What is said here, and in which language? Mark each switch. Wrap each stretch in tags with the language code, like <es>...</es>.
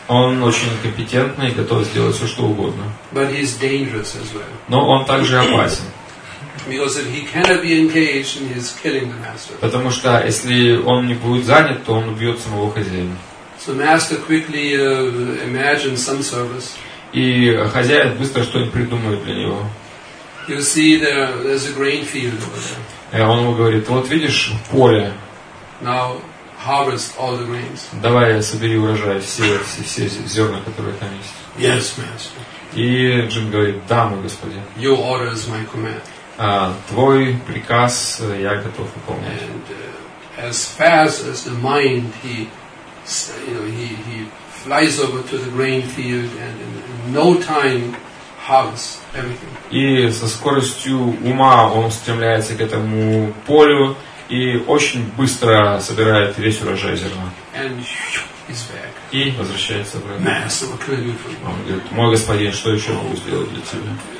<ru>Он очень компетентный и готов сделать все, что угодно.</ru> <en>But he is dangerous as well.</en> <ru>Но он также опасен.</ru> <en>Because if he cannot be engaged, he is killing the master.</en> <ru>Потому что если он не будет занят, то он убьет самого хозяина.</ru> <en>So master quickly imagines some service.</en> <ru>И хозяин быстро что-нибудь придумывает для него.</ru> <en>You see there's a grain field over there.</en> <ru>Он ему говорит: вот видишь поле.</ru> <en>Now harvest all the grains.</en> <ru>Давай собери урожай все зерна, которые там есть.</ru> <en>Yes, master.</en> <ru>И джин говорит: да, мой господин.</ru> <en>Your order is my command.</en> <ru>Твой приказ я готов выполнять.</ru> <en>And as fast as the mind, he flies over to the grain field and in no time hugs everything.</en> <ru>И со скоростью ума он стремляется к этому полю и очень быстро собирает весь урожай зерна.</ru> <en>And he's back.</en> <ru>И возвращается в</ru> <en>рай. Master, what can I do for you?</en> <ru>Он говорит: «Мой господин, что еще могу сделать для тебя?»</ru>